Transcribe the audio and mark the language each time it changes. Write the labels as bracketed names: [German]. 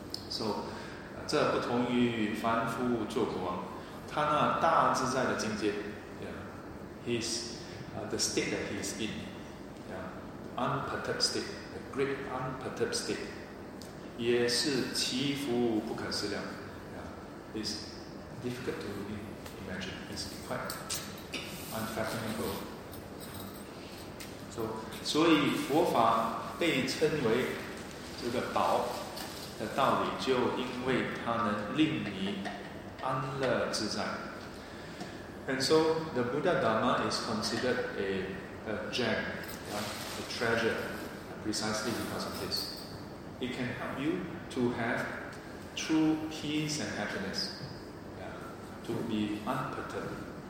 [English] So, [Chinese] 这不同于凡夫做国王, 他那大自在的境界, [English] yeah, his, the state that he's in, yeah, unperturbed state, a great unperturbed state, [Chinese] 也是起伏不可思量, [English] yeah, it's difficult to imagine, it's quite unfathomable. [Chinese] So, 所以佛法被称为这个宝, 的道理就因为它能令你安乐自在. [English] And so the Buddha Dhamma is considered a gem, a treasure, precisely because of this. It can help you to have true peace and happiness, to be unperturbed.